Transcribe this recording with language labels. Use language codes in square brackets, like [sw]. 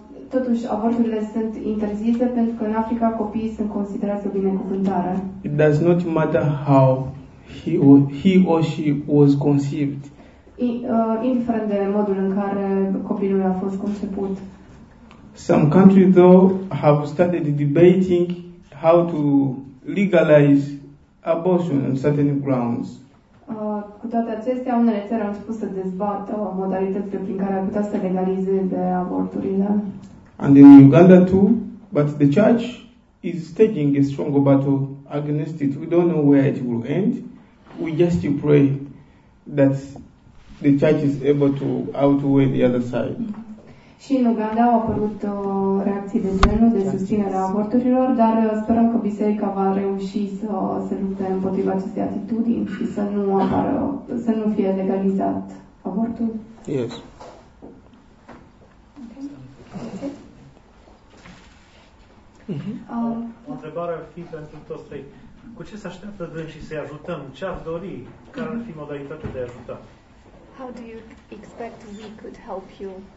[ro] Totuși, avorturile sunt interzise pentru că în Africa copiii sunt considerați o binecuvântare. [en] It does not matter how he or she was conceived. [ro] Indiferent de modul în care copilul a fost conceput. [en] Some countries though have started debating how to legalize abortion on certain grounds. [ro] Cu toate acestea, unele țări au început să dezbată modalitățile prin care ar putea să legalizeze avorturile. [en] And in Uganda too, but the church is staging a strong battle against it. We don't know where it will end. We just pray that the church is able to outweigh the other side. [ro] Și în Uganda au apărut reacții de genul de susținere a avorturilor, dar sperăm că biserica va reuși să se lupte împotriva acestei atitudini și să nu apară, să nu fie legalizat avortul. [en] Yes. [ro] O întrebare ar fi pentru toți trei. Cu ce se așteaptă dânsii să-i ajutăm? Ce ar dori? Care ar fi modalitatea de a ajuta? [en] How do you expect we could help you?